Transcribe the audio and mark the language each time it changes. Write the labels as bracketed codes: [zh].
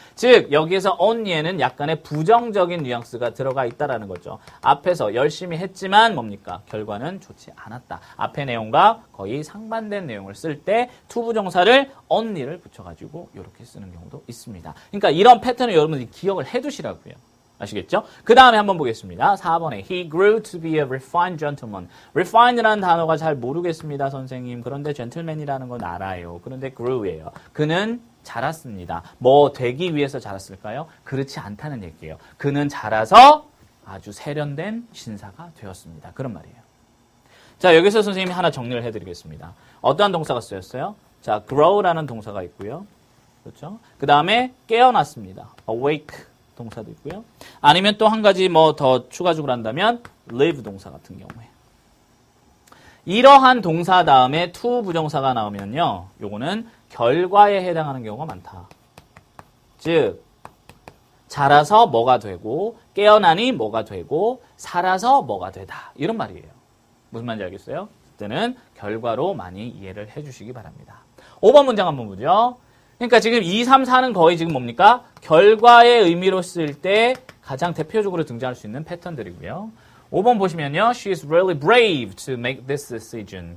[ko] 즉 여기에서 only에는 약간의 부정적인 뉘앙스가 들어가 있다라는 거죠. 앞에서 열심히 했지만 뭡니까? 결과는 좋지 않았다. 앞에 내용과 거의 상반된 내용을 쓸때 to 부정사를 only를 붙여가지고 이렇게 쓰는 경우도 있습니다. 그러니까 이런 패턴을 여러분이 기억을 해두시라고요. 아시겠죠? 그 다음에 한번 보겠습니다. 4번에 [en] He grew to be a refined gentleman. [ko] Refined라는 단어가 잘 모르겠습니다, 선생님. 그런데 gentleman이라는 건 알아요. 그런데 grew예요. 그는 자랐습니다. 뭐 되기 위해서 자랐을까요? 그렇지 않다는 얘기예요. 그는 자라서 아주 세련된 신사가 되었습니다. 그런 말이에요. 자, 여기서 선생님이 하나 정리를 해드리겠습니다. 어떠한 동사가 쓰였어요? 자, grow라는 동사가 있고요. 그렇죠? 그 다음에 깨어났습니다. awake. 동사도 있고요. 아니면 또한 가지 뭐더 추가적으로 한다면 live 동사 같은 경우에 이러한 동사 다음에 to 부정사가 나오면요, 요거는 결과에 해당하는 경우가 많다. 즉 자라서 뭐가 되고 깨어나니 뭐가 되고 살아서 뭐가 되다 이런 말이에요. 무슨 말인지 알겠어요? 그때는 결과로 많이 이해를 해주시기 바랍니다. 5번 문장 한번 보죠. 그러니까 지금 2, 3, 4는 거의 지금 뭡니까? 결과의 의미로 쓰일 때 가장 대표적으로 등장할 수 있는 패턴들이고요. 5번 보시면요. [en] She is really brave to make this decision.